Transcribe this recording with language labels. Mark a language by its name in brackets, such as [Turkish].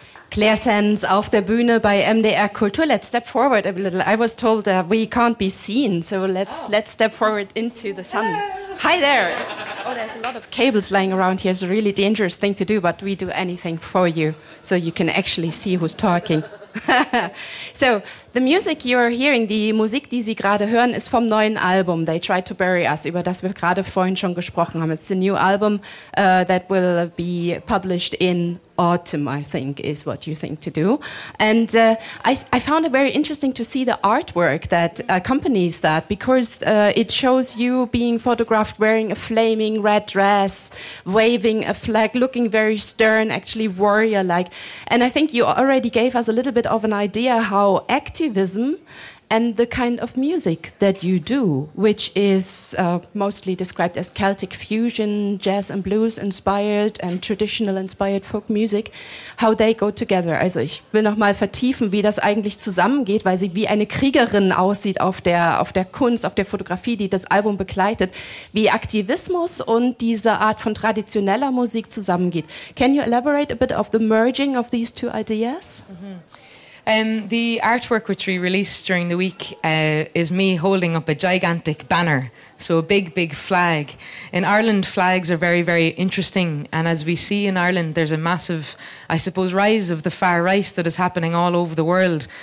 [German] Claire Sands auf der Bühne bei MDR Kultur. [English] Let's step forward a little. I was told that we can't be seen, so let's step forward into the sun. Hello. Hi there. Oh, there's a lot of cables lying around here. It's a really dangerous thing to do, but we do anything for you so you can actually see who's talking. So, the music you're hearing, [German] die Musik, die Sie gerade hören, ist vom neuen Album, They Tried to Bury Us, über das wir gerade vorhin schon gesprochen haben. [English] It's a new album that will be published in autumn, I think, is what you think to do. And I found it very interesting to see the artwork that accompanies that, because it shows you being photographed wearing a flaming red dress, waving a flag, looking very stern, actually warrior-like. And I think you already gave us a little bit of an idea how activism and the kind of music that you do, which is mostly described as Celtic fusion, jazz and blues inspired and traditional inspired folk music, how they go together. [German] Also ich will nochmal vertiefen, wie das eigentlich zusammengeht, weil sie wie eine Kriegerin aussieht auf der Kunst, auf der Fotografie, die das Album begleitet, wie Aktivismus und diese Art von traditioneller Musik zusammengeht. [English] Can you elaborate a bit of the merging of these two ideas? The artwork which we released during the week is me holding up a gigantic banner, so a big, big flag. In Ireland, flags are very, very interesting. And as we see in Ireland, there's a massive, I suppose, rise of the far right that is happening all over the world.